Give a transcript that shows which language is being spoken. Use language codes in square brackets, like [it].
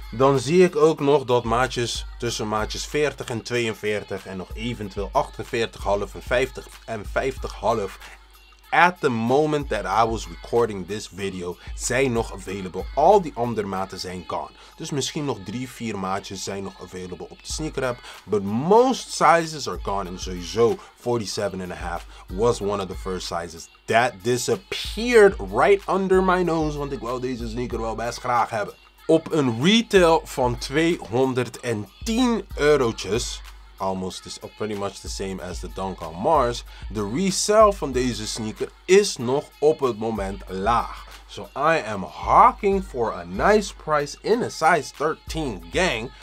[nl] Dan zie ik ook nog dat maatjes tussen maatjes 40 en 42 en nog eventueel 48,5 en 50 en 50,5 [en] at the moment that I was recording this video [nl] zijn nog available. Al die andere maten zijn gone. Dus misschien nog 3-4 maatjes zijn nog available op de sneaker app. [en] But most sizes are gone [nl] en sowieso [en] 47.5 was one of the first sizes that disappeared right under my nose. [nl] Want ik wou deze sneaker wel best graag hebben. Op een retail van €210, [en] pretty much the same as the Dunk on Mars, [nl] de resale van deze sneaker is nog op het moment laag. [en] So I am hawking for a nice price in a size 13 gang.